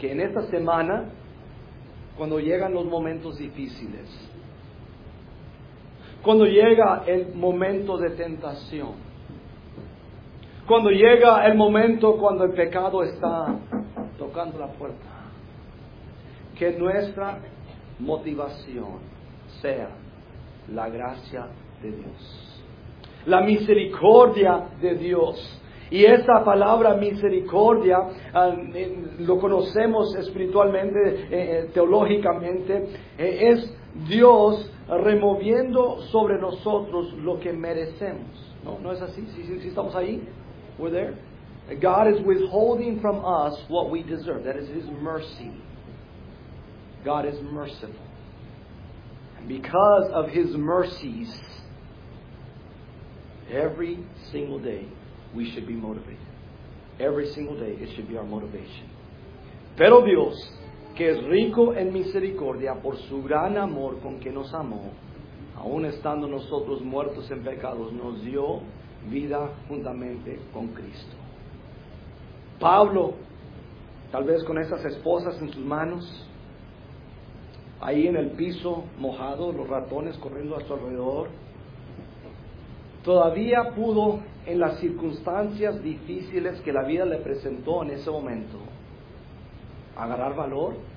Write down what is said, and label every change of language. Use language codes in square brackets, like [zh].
[es] Que en esta semana, cuando llegan los momentos difíciles, cuando llega el momento de tentación, cuando llega el momento cuando el pecado está tocando la puerta, que nuestra motivación sea la gracia de Dios, la misericordia de Dios, Y esta palabra misericordia, lo conocemos espiritualmente, teológicamente, es Dios removiendo sobre nosotros lo que merecemos. ¿No, no es así? ¿Sí estamos ahí? [en] We're there. God is withholding from us what we deserve. That is His mercy. God is merciful. And because of His mercies, every single day, we should be motivated. Every single day, it should be our motivation. [es] Pero Dios, que es rico en misericordia por su gran amor con que nos amó, aun estando nosotros muertos en pecados, nos dio vida juntamente con Cristo. Pablo, tal vez con esas esposas en sus manos, ahí en el piso mojado, los ratones corriendo a su alrededor, todavía pudo, en las circunstancias difíciles que la vida le presentó en ese momento, agarrar valor,